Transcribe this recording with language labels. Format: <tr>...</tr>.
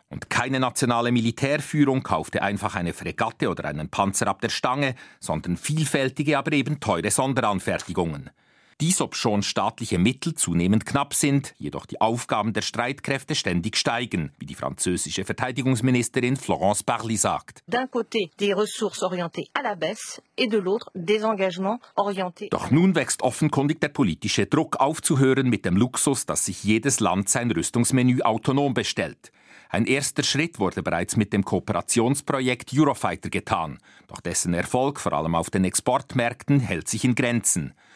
<de>Und keine nationale Militärführung kaufte einfach eine Fregatte oder einen Panzer ab der Stange, sondern vielfältige, aber eben teure Sonderanfertigungen. Dies, ob schon staatliche Mittel zunehmend knapp sind, jedoch die Aufgaben der Streitkräfte ständig steigen, wie die französische Verteidigungsministerin Florence Parly sagt.</de> <fr>D'un côté des ressources orientées à la baisse et de l'autre des engagements orientés.</fr> <de>Doch nun wächst offenkundig der politische Druck, aufzuhören mit dem Luxus, dass sich jedes Land sein Rüstungsmenü autonom bestellt. Ein erster Schritt wurde bereits mit dem Kooperationsprojekt Eurofighter getan, doch dessen Erfolg, vor allem auf den Exportmärkten, hält sich in Grenzen.</de>